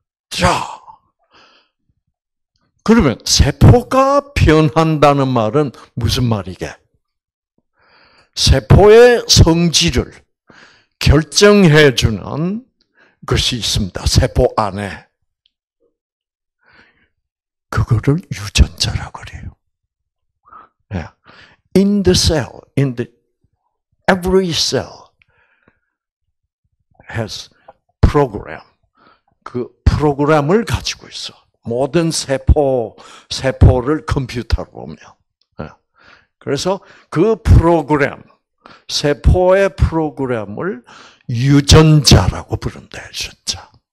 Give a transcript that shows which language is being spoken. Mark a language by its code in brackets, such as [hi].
[ko] 자, 그러면 세포가 변한다는 말은 무슨 말이게? 세포의 성질을 결정해주는 것이 있습니다. 세포 안에. 그거를 유전자라고 그래요. [en] In the cell, in the, every cell has program. [ko] 그 프로그램을 가지고 있어. 모든 세포를 컴퓨터로 보면. 그래서 그 프로그램, 세포의 프로그램을 유전자라고 부른다, 유전자.